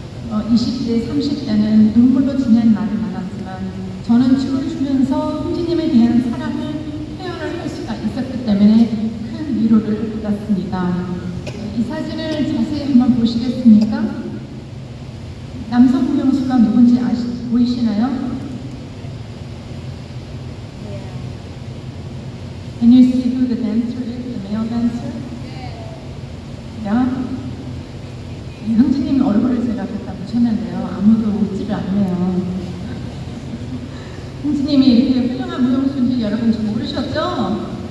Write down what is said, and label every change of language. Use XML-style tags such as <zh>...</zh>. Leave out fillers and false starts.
<ko>20대, 30대는 눈물로 지낸 날이 많았지만 저는 춤을 추면서 형제님에 대한 사랑을 표현할 수가 있었기 때문에 큰 위로를 받았습니다. 이 사진을 자세히 한번 보시겠습니까? 남성 구명수가 누군지 보이시나요?</ko> <en>Can you see who the dancer is, the male dancer? Yeah.</en> <ko>이 형제님 얼굴을 제가 갖다 붙였는데요. 아무도 웃지를 않네요. 형제님이 이렇게 훌륭한 무용수인지 여러분 잘 모르셨죠?</ko>